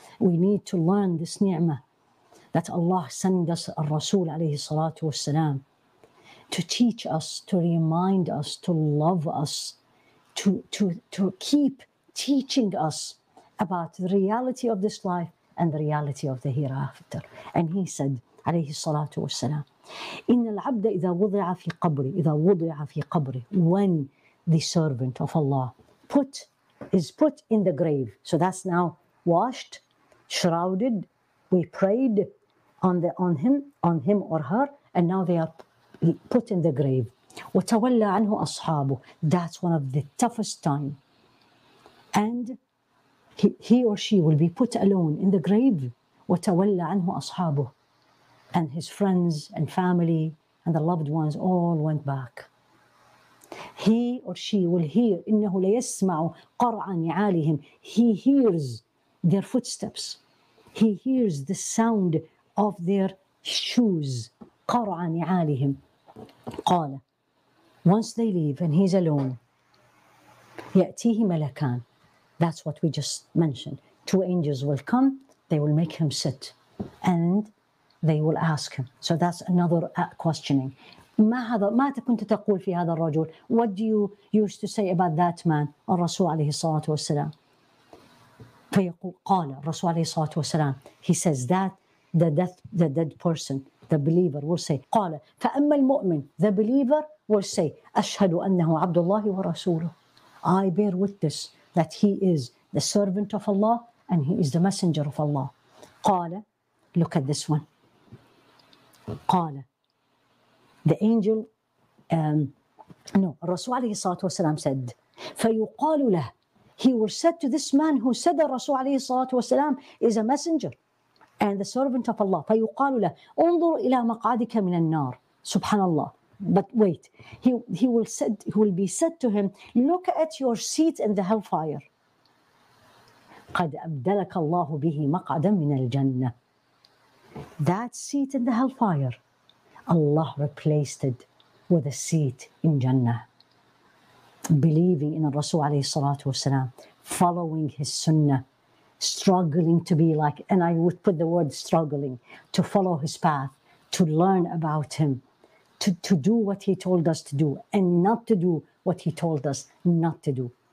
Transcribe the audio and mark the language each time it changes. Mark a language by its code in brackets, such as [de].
[en] We need to learn this ni'ma that Allah send us الرسول عليه الصلاة والسلام to teach us, to remind us, to love us, to keep teaching us about the reality of this life and the reality of the hereafter. And he said, عليه الصلاة والسلام, [ar] إن العبد إذا وضع في قبره, [en] إذا وضع في قبره, when the servant of Allah is put in the grave. So that's now washed, shrouded, we prayed on him or her, and now they are put in the grave. [ar] وتولى عنه أصحابه. [en] That's one of the toughest time. And he or she will be put alone in the grave. [ar] وتولى عنه أصحابه. [en] And his friends and family and the loved ones all went back. He or she will hear, [ar] إنه ليسمع قرع نعالهم. [en] He hears their footsteps. He hears the sound of their shoes. [ar] قرع نعالهم. [en] قال, once they leave and he's alone, [ar] يأتيه ملكان. [en] That's what we just mentioned. Two angels will come, they will make him sit, and they will ask him. So that's another questioning. [ar] ما هذا, ما كنت تقول في هذا الرجل? [en] What do you used to say about that man? [ar] الرسول عليه الصلاة والسلام. فيقول, قال الرسول عليه الصلاة والسلام. [en] He says that the dead person, the believer will say, [ar] قال فأما المؤمن, [en] the believer will say, [ar] أشهد أنه عبد الله ورسوله. [en] I bear witness that he is the servant of Allah and he is the messenger of Allah. قال, look at this one. قال, the angel, الرسول عليه الصلاة والسلام said, [ar] فيقال له, [en] he was said to this man who said الرسول عليه الصلاة والسلام is a messenger and the servant of Allah. [ar] فيقال له, انظر إلى مقعدك من النار. سبحان الله. [en] But wait, he will be said to him, look at your seat in the hellfire. [ar] قد أبدلك الله به مقعدا من الجنة. [en] That seat in the hellfire, Allah replaced it with a seat in Jannah. Believing in Rasul alayhi salatu wasalam, following his sunnah, struggling to be like, and I would put the word struggling, to follow his path, to learn about him, to do what he told us to do, and not to do what he told us not to do.